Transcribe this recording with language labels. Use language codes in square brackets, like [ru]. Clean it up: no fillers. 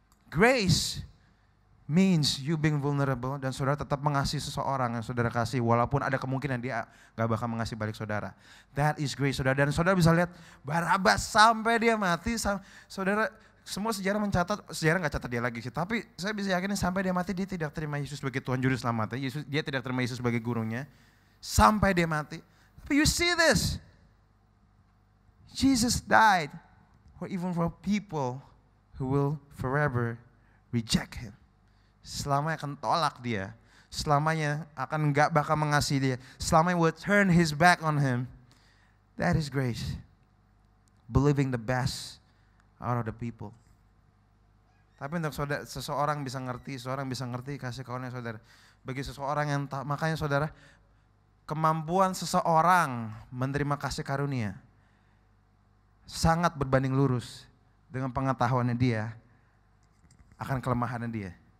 [en] Grace means you being vulnerable [id] dan saudara tetap mengasihi seseorang yang saudara kasih, walaupun ada kemungkinan dia gak bakal mengasihi balik saudara. [en] That is grace, [id] saudara. Dan saudara bisa lihat Barabbas sampai dia mati, saudara. Semua sejarah mencatat, sejarah gak catat dia lagi sih, tapi saya bisa yakinin sampai dia mati, dia tidak terima Yesus sebagai Tuhan Juru Selamatnya, Yesus, dia tidak terima Yesus sebagai gurunya, sampai dia mati. Tapi [en] you see this, Jesus died for even for people who will forever reject him. [id] Selamanya akan tolak dia, selamanya akan gak bakal mengasihi dia, selamanya [en] will turn his back on him. That is grace, believing the best out of the people. [id] Tapi untuk saudara, seseorang bisa ngerti kasih karunia, saudara. Bagi seseorang yang tak, makanya saudara, kemampuan seseorang menerima kasih karunia sangat berbanding lurus dengan pengetahuannya dia akan kelemahannya dia.